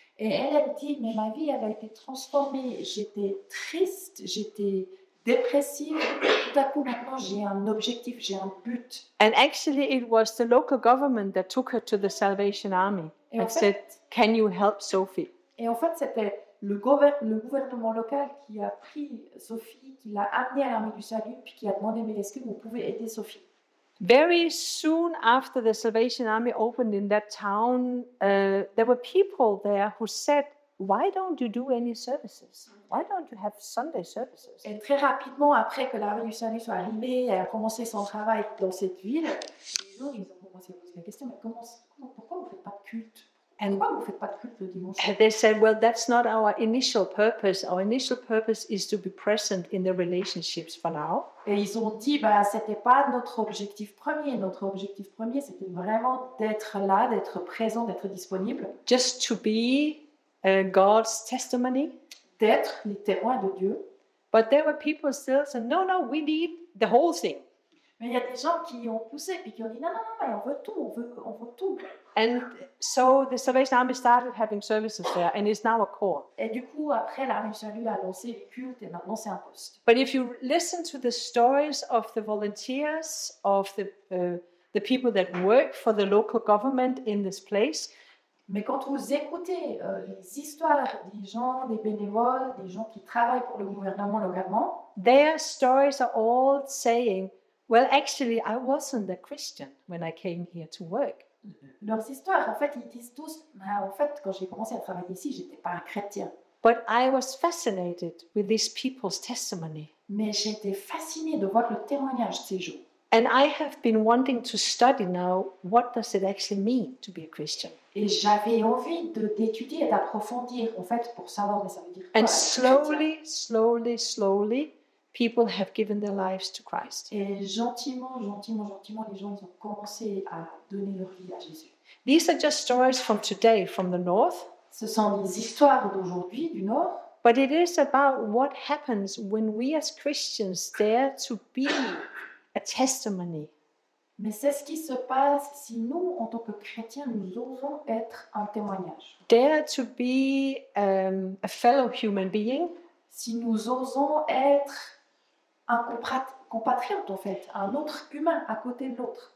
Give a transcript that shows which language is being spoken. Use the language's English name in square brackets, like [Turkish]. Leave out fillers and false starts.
[French] Et elle dit, mais ma vie, elle a été transformée. J'étais triste, j'étais dépressive. Tout à coup, maintenant, j'ai un objectif, j'ai un but. [English] And actually, it was the local government that took her to the Salvation Army. [French] Et [English] said, can you help Sophie? [French] Et en fait, c'était le gouvernement local qui a pris Sophie, qui l'a amenée à l'armée du salut, puis qui a demandé, mais est-ce que vous pouvez aider Sophie? [English] Very soon after the Salvation Army opened in that town, there were people there who said, why don't you do any services? Why don't you have Sunday services? [French] Et très rapidement après que l'armée du salut soit arrivée et a commencé son travail dans cette ville, les gens ils ont commencé à poser la question, mais comment, pourquoi vous ne faites pas de culte? [English] And why [French] vous faites pas de culte le dimanche? [English] They said, well, that's not our initial purpose. Our initial purpose is to be present in the relationships for now. [French] Et ils ont dit, bah, c'était pas notre objectif premier. Notre objectif premier, c'était vraiment d'être là, d'être présent, d'être disponible. [English] Just to be God's testimony. [French] D'être les témoins de Dieu. [English] But there were people still saying, no, no, we need the whole thing. [French] Mais il y a des gens qui ont poussé et qui ont dit, non, mais on veut tout. [English] And so the Salvation Army started having services there, and it's now a core. [French] Et du coup, après, l'Armée du Salut a lancé le culte, et maintenant c'est un poste. [English] But if you listen to the stories of the volunteers, of the people that work for the local government in this place, [French] mais quand vous écoutez les histoires des gens, des bénévoles, des gens qui travaillent pour le gouvernement localement, [English] their stories are all saying, well, actually, I wasn't a Christian when I came here to work. [French] Leurs histoires, en fait, ils disent tous, bah, en fait, quand j'ai commencé à travailler ici, j'étais pas un chrétien. [English] But I was fascinated with these people's testimony. [French] Mais j'étais fascinée de voir le témoignage de ces gens. [English] And I have been wanting to study now, what does it actually mean to be a Christian? [French] Et j'avais envie d'étudier et d'approfondir, en fait, pour savoir, mais ça veut dire quoi? [English] And slowly, slowly, slowly, people have given their lives to Christ. [French] Et gentiment, gentiment, gentiment, les gens ont commencé à donner leur vie à Jésus. [English] These are just stories from today, from the north. [French] Ce sont des histoires d'aujourd'hui, du nord. [English] But it is about what happens when we as Christians dare to be a testimony. [French] Mais c'est ce qui se passe si nous, en tant que chrétiens, nous osons être un témoignage. [English] Dare to be a fellow human being. [French] Si nous osons être un compatriote, en fait, un autre humain à côté de l'autre.